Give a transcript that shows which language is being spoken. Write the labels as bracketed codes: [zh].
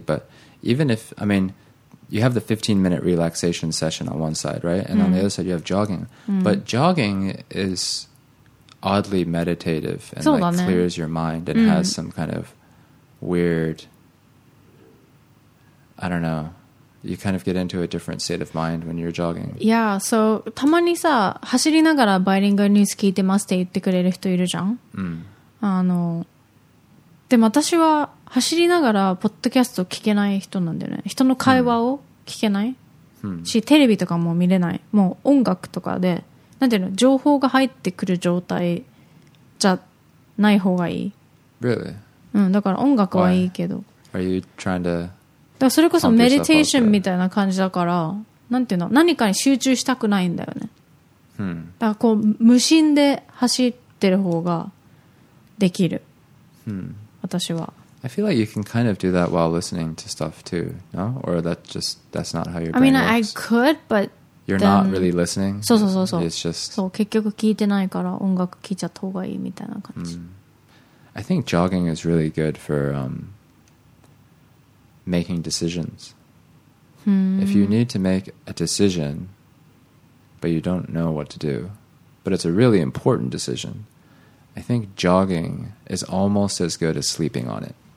[en] But even if, I mean, you have the 15-minute relaxation session on one side, right? And on the other side, you have jogging. But jogging is oddly meditative and like, clears your mind and has some kind of weird, I don't know, you kind of get into a different state of mind when you're jogging. Yeah, so [ja] たまにさ、走りながらバイリンガルニュース聞いてますって言ってくれる人いるじゃん。あの、でも私は走りながらポッドキャスト聞けない人なんだよね。人の会話を聞けない。し、テレビとかも見れない。もう音楽とかで、なんていうの、情報が入ってくる状態じゃない方がいい。 [en] Really? [ja] だから音楽はいいけど。 [en] Why? Are you trying to... [ja] だからそれこそメディテーションみたいな感じだから、なんていうの、何かに集中したくないんだよね。だからこう無心で走ってる方ができる。私は。 [en] I feel like you can kind of do that while listening to stuff too, no? Or that's not how your brain works. I mean, I could, but you're not really listening. [ja] そうそうそうそう。 [en] It's just [ja] そう結局聞いてないから音楽聞いちゃった方がいいみたいな感じ。 [en] I think jogging is really good for making decisions. If you need to make a decision, but you don't know what to do, but it's a really important decision, I think jogging is almost as good as sleeping on it.